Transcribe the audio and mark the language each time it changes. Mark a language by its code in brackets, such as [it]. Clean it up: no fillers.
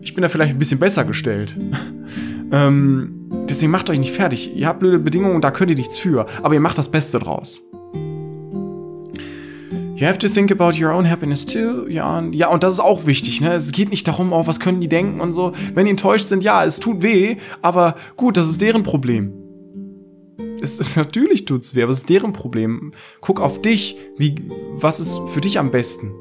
[de] Ich bin da vielleicht ein bisschen besser gestellt. Deswegen macht euch nicht fertig. Ihr habt blöde Bedingungen, da könnt ihr nichts für. Aber ihr macht das Beste draus. [en] You have to think about your own happiness too, Jan. [de] Ja, und das ist auch wichtig, ne? Es geht nicht darum, auf was können die denken und so. Wenn die enttäuscht sind, ja, es tut weh, aber gut, das ist deren Problem. Natürlich tut's weh, aber es ist deren Problem. Guck auf dich, was ist für dich am besten?